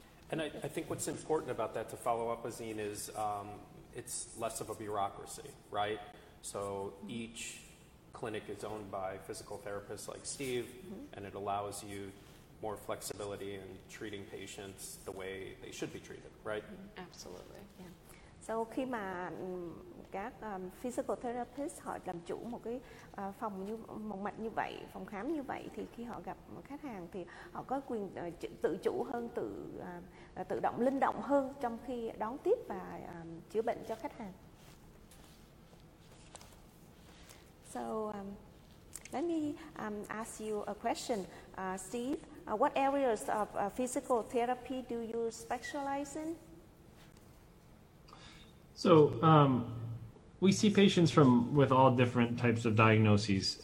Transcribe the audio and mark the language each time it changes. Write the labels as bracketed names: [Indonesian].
[English] And I think what's important about that to follow up, Azeem, is it's less of a bureaucracy, right? So each clinic is owned by physical therapists like Steve, and it allows you more flexibility in treating patients the way they should be treated, right? Absolutely. Yeah. [Vietnamese] So khi mà các physical therapist họ làm chủ một cái phòng như một mạch như vậy, phòng khám như vậy thì khi họ gặp khách hàng thì họ có quyền tự chủ hơn, tự động linh động hơn trong khi đón tiếp và chữa bệnh cho khách hàng. [English] So let me ask you a question, Steve. What areas of physical therapy do you specialize in? So we see patients with all different types of diagnoses.